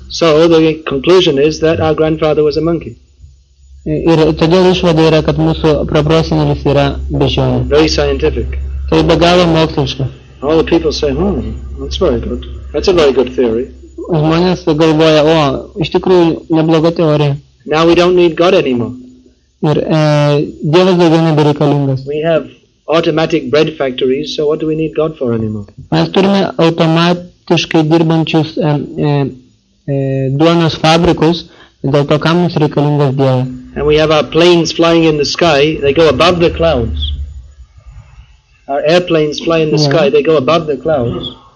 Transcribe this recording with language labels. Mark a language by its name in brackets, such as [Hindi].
[English] So the conclusion is that our grandfather was a monkey. [Lithuanian] Ir todėl išvada yra, kad mūsų proprosenelis yra beždžionė. [English] Very scientific. [Lithuanian] Tai be galo moksliška. [English] All the people say, that's very good. That's a very good theory. [Lithuanian] Žmonės galvoja, o, iš tikrųjų nebloga teorija. [English] Now we don't need God anymore. [Lithuanian] Ir Dievas daugiau nebereikalingas. [English] We have automatic bread factories, so what do we need God for anymore? [Lithuanian] Mes turime automatiškai dirbančius duonos fabrikus, dėl to kam mums reikalingas Dievas. [English] And we have our planes flying in the sky, they go above the clouds. Our airplanes fly in the sky, they go above the clouds.